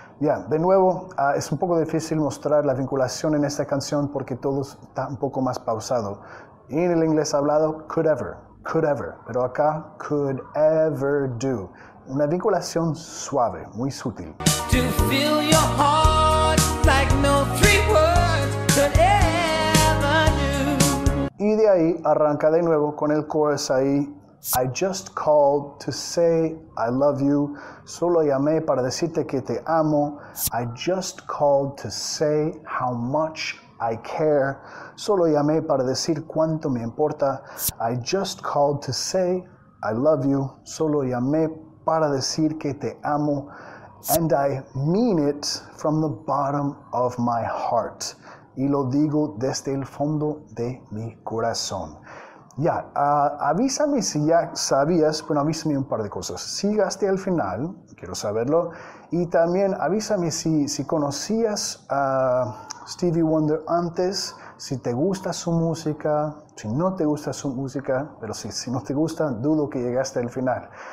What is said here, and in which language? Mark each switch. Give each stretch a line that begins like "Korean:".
Spanish: Yeah, de nuevo, es un poco difícil mostrar la vinculación en esta canción porque todo está un poco más pausado. Y en el inglés hablado,
English: could ever,
Spanish: pero acá,
English: could ever do.
Spanish: Una vinculación suave, muy sutil.
English: To fill your heart like no three words could ever do.
Spanish: Y de ahí arranca de nuevo con el chorus ahí.
English: I just called to say I love you.
Spanish: Solo llamé para decirte que te amo.
English: I just called to say how much I care.
Spanish: Solo llamé para decir cuánto me importa.
English: I just called to say I love you.
Spanish: Solo llamé para decir que te amo.
English: And I mean it from the bottom of my heart.
Spanish: Y lo digo desde el fondo de mi corazón. Ya, avísame si ya sabías, bueno, avísame un par de cosas. Sigaste al final, quiero saberlo. Y también avísame si conocías a Stevie Wonder antes, si te gusta su música, si no te gusta su música, pero si no te gusta, dudo que llegaste al final.